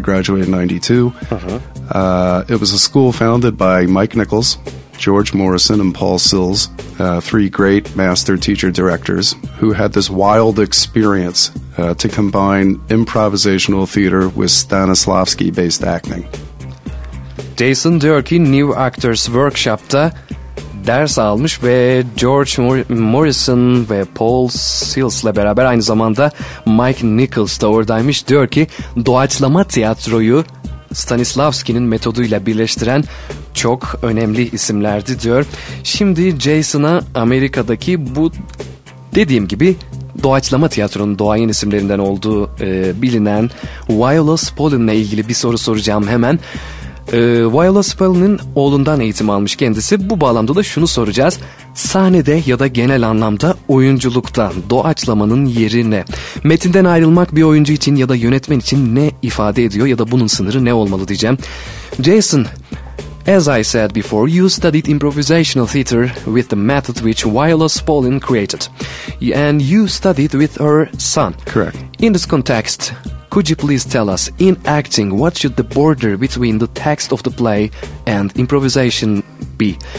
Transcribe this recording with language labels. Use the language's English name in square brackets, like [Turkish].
[English] I graduated in 92. It was a school founded by Mike Nichols, George Morrison, and Paul Sills, three great master teacher directors who had this wild experience to combine improvisational theater with Stanislavski-based acting. [Turkish] Jason diyor ki New Actors Workshop'ta ders almış ve George Morrison ve Paul Sills'le beraber aynı zamanda Mike Nichols da oradaymış. Diyor ki doğaçlama tiyatroyu Stanislavski'nin metoduyla birleştiren çok önemli isimlerdi diyor. Şimdi Jason'a Amerika'daki bu dediğim gibi doğaçlama tiyatronun doğayan isimlerinden olduğu bilinen Viola Spolin'le ilgili bir soru soracağım hemen. Viola Spolin'in oğlundan eğitim almış kendisi. Bu bağlamda da şunu soracağız. Sahnede ya da genel anlamda oyunculukta doğaçlamanın yeri ne? Metinden ayrılmak bir oyuncu için ya da yönetmen için ne ifade ediyor ya da bunun sınırı ne olmalı diyeceğim. [English] Jason, as I said before, you studied improvisational theater with the method which Viola Spolin created. And you studied with her son. Correct. In this context, could you please tell us, in acting, what should the border between the text of the play and improvisation be?